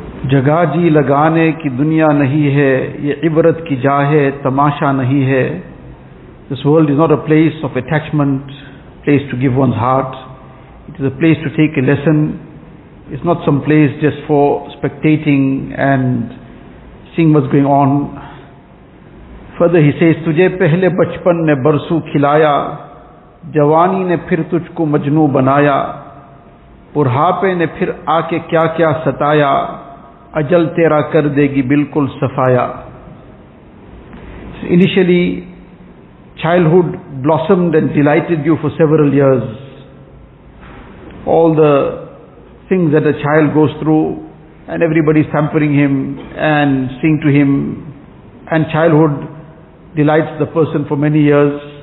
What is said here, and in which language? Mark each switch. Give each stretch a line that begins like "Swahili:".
Urdu: جگہ جی لگانے کی دنیا نہیں ہے یہ عبرت کی جاہ ہے تماشا نہیں ہے
English: This world is not a place of attachment, place to give one's heart. It is a place to take a lesson. It's not some place just for spectating and seeing what's going on. Further he says,
Urdu: تجھے پہلے بچپن نے برسو کھلایا جوانی نے پھر تجھ کو مجنو بنایا بڑھاپے نے پھر آ کے کیا کیا ستایا Ajal tera kar degi bilkul safaya.
English: Initially, childhood blossomed and delighted you for several years. All the things that a child goes through, and everybody is pampering him and sing to him, and childhood delights the person for many years.